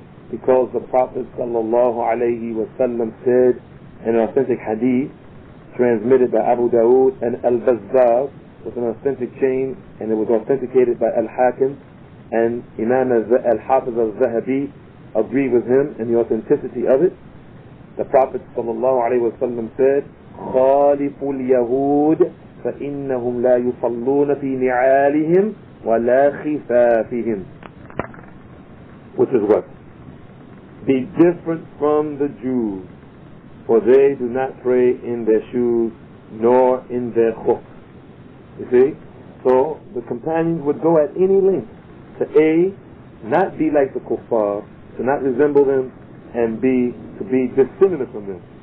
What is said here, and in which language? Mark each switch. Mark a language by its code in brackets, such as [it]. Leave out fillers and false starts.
[en] Because the Prophet sallallahu alayhi wa sallam said in an authentic hadith transmitted by Abu Dawood and Al-Bazzar, was an authentic chain, and it was authenticated by Al-Hakim, and Imam Al-Hafiz Al-Zahabi agreed with him in the authenticity of it. The Prophet sallallahu alayhi wa sallam said, [ar] خَالِفُ الْيَهُودِ فَإِنَّهُمْ لَا يُصَلُّونَ فِي نِعَالِهِمْ وَلَا خِفَافِهِمْ. [en] Which is what? Be different from the Jews, for they do not pray in their shoes nor in their hooks. You see? So the companions would go at any length to A, not be like the kuffar, to not resemble them, and B, to be dissimilar from them.